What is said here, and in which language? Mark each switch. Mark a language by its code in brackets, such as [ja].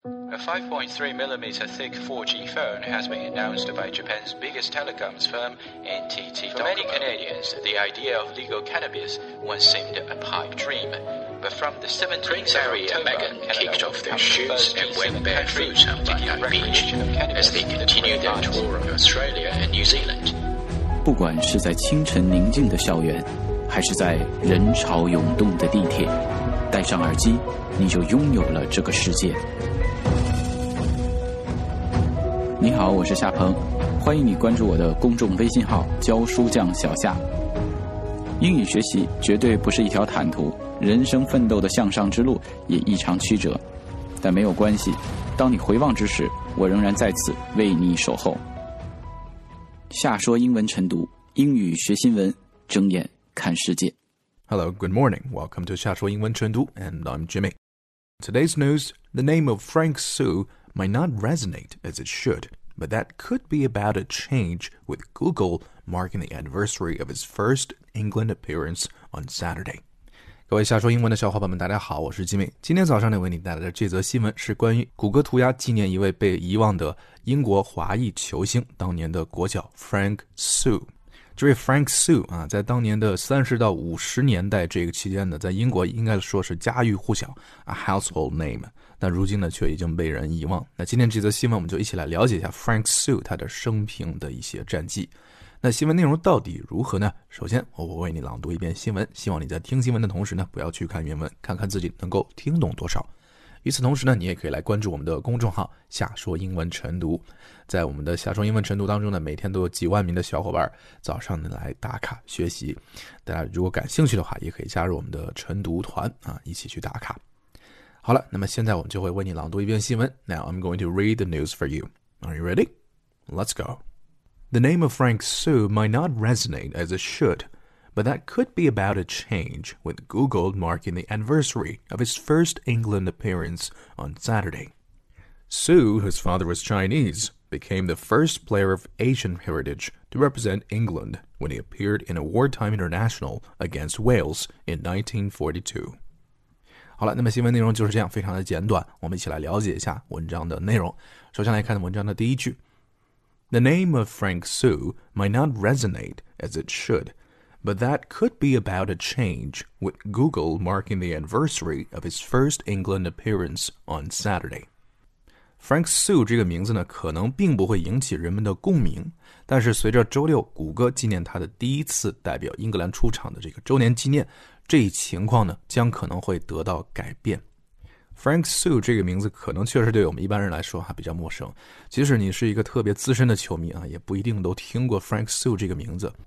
[en] A 5.3mm thick 4G phone has been announced by Japan's biggest telecoms firm, NTT Docomo. For many Canadians, the idea of legal cannabis once seemed a pipe dream. But from the 17th of October, Meghan kicked off their shoots and went barefoot on Bondi Beach as they continued their tour of Australia and New Zealand. [zh] 不管是在清晨宁静的校园，还是在人潮涌动的地铁，戴上耳机，你就拥有了这个世界。你好，我是夏鹏，欢迎你关注我的公众微信号教书匠小夏。英语学习绝对不是一条坦途，人生奋斗的向上之路也异常曲折，但没有关系，当你回望之时，我仍然在此为你守候。夏说英文晨读，英语学新闻，睁眼看世界。 [en] Hello, good morning. Welcome to 夏说英文晨读 and I'm Jimmy. Today's news, the name of Frank Sue might not resonate as it should, but that could be about a change with Google marking the anniversary of his first England appearance on Saturday. [zh] 各位夏说英文的小伙伴们大家好，我是 Jimmy。今天早上呢为你带来的这则新闻是关于谷歌涂鸦纪念一位被遗忘的英国华裔球星，当年的国脚 Frank Sue。这位 Frank Sue 啊，在当年的30到50年代这个期间呢，在英国应该说是家喻户晓 ， [en] a household name， [zh] 但如今呢，却已经被人遗忘。那今天这则新闻，我们就一起来了解一下 Frank Sue 他的生平的一些战绩。那新闻内容到底如何呢？首先，我为你朗读一遍新闻，希望你在听新闻的同时呢，不要去看原文，看看自己能够听懂多少。与此同时呢，你也可以来关注我们的公众号夏说英文晨读。在我们的夏说英文晨读当中呢，每天都有几万名的小伙伴早上呢来打卡学习。大家如果感兴趣的话，也可以加入我们的晨读团啊，一起去打卡。好了，那么现在我们就会为你朗读一遍新闻。 [en] Now I'm going to read the news for you. Are you ready? Let's go. The name of Frank Sue might not resonate as it should. But that could be about a change, with Google marking the anniversary of his first England appearance on Saturday. Sue, whose father was Chinese, became the first player of Asian heritage to represent England when he appeared in a wartime international against Wales in 1942. [zh] 好了，那么新闻内容就是这样，非常的简短，我们一起来了解一下文章的内容。首先来看文章的第一句。 [en] The name of Frank Sue might not resonate as it should,But that could be about a change, with Google marking the anniversary of his first England appearance on Saturday. [zh] Frank Sue 这个名字呢，可能并不会引起人们的共鸣，但是随着周六谷歌纪念他的第一次代表英格兰出场的这个周年纪念，这一情况呢，将可能会得到改变。 Frank Sue 这个名字可能确实对我们一般人来说还比较陌生，即使你是一个特别资深的球迷啊，也不一定都听过 Frank Sue 这个名字。